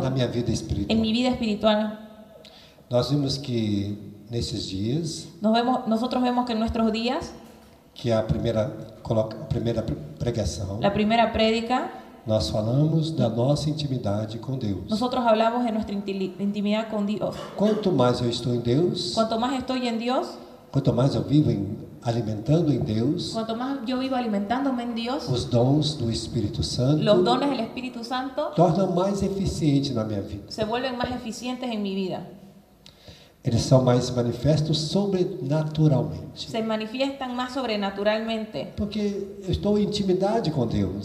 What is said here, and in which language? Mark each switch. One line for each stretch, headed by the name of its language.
Portuguese: Na minha vida espiritual.
Spanish: En mi vida espiritual.
Portuguese: Nós vimos que nesses dias.
Spanish: Nosotros vemos que en nuestros días.
Portuguese: Que é a primeira pregação.
Spanish: La primera prédica.
Portuguese: Nós falamos da nossa intimidade com Deus.
Spanish: Nosotros hablamos de nuestra intimidad con Dios.
Portuguese: Quanto mais eu estou em Deus.
Spanish: Cuanto más estoy en Dios.
Portuguese: Quanto mais eu vivo alimentando em Deus. Quanto mais eu vivo alimentando-me em Deus. Os dons do Espírito Santo.
Spanish: Los dones del Espíritu Santo.
Portuguese: Tornam mais eficiente na minha vida.
Spanish: Se vuelven más eficientes en mi vida.
Portuguese: Eles são mais manifestos sobrenaturalmente.
Spanish: Se manifiestan más sobrenaturalmente.
Portuguese: Porque eu estou em intimidade com Deus.